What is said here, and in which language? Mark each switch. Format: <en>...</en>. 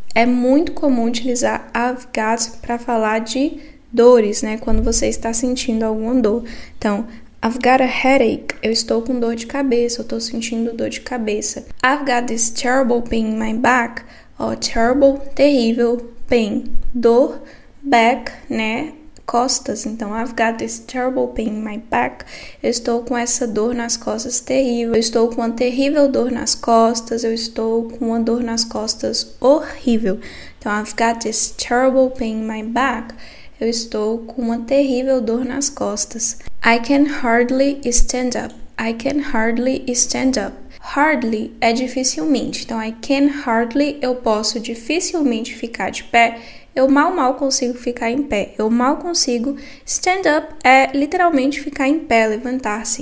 <pt>É muito comum utilizar</pt> <en>I've got</en> <pt>para falar de dores, né? Quando você está sentindo alguma dor. Então,</pt> <en>I've got a headache.</en> <pt>Eu estou com dor de cabeça. Eu estou sentindo dor de cabeça.</pt> <en>I've got this terrible pain in my back. Oh, terrible,</en> <pt>terrível,</pt> <en>pain,</en> <pt>dor,</pt> <en>back,</en> <pt>né? Costas.</pt> <en>Então, I've got this terrible pain in my back.</en> <pt>Eu estou com essa dor nas costas terrível. Eu estou com uma terrível dor nas costas. Eu estou com uma dor nas costas horrível.</pt> <en>Então, I've got this terrible pain in my back.</en> <pt>Eu estou com uma terrível dor nas costas.</pt> <en>I can hardly stand up. I can hardly stand up. Hardly</en> <pt>é dificilmente. Então,</pt> <en>I can hardly,</en> <pt>eu posso dificilmente ficar de pé. Eu mal consigo ficar em pé. Eu mal consigo.</pt> <en>Stand up</en> <pt>é literalmente ficar em pé, levantar-se.</pt>